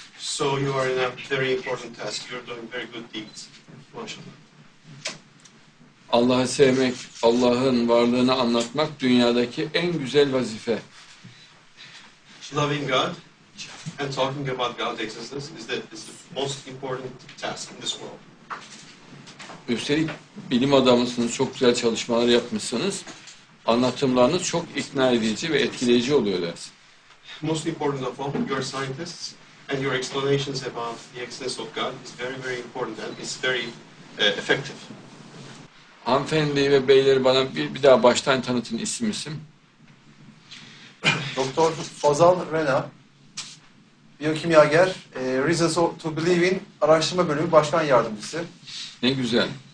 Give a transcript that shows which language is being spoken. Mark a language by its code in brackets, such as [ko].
[en] So you are in a very important task. You're doing very good deeds. Maşallah. [tr] Allah'ı sevmek, Allah'ın varlığını anlatmak dünyadaki en güzel vazife. [en] Loving God and talking about God's existence is the most important task in this world. [tr] Üstelik bilim adamısınız, çok güzel çalışmalar yapmışsınız. Anlatımlarınız çok ikna edici ve etkileyici oluyor ders. [en] Most important of all, you're scientists and your explanations about the existence of God is very very important and it's very effective. [tr] Hanımefendi ve beyleri bana bir daha baştan tanıtın isim isim. Doktor Fazal Rena, biyokimyager, Reasons to Believe in araştırma bölümü başkan yardımcısı. Ne güzel.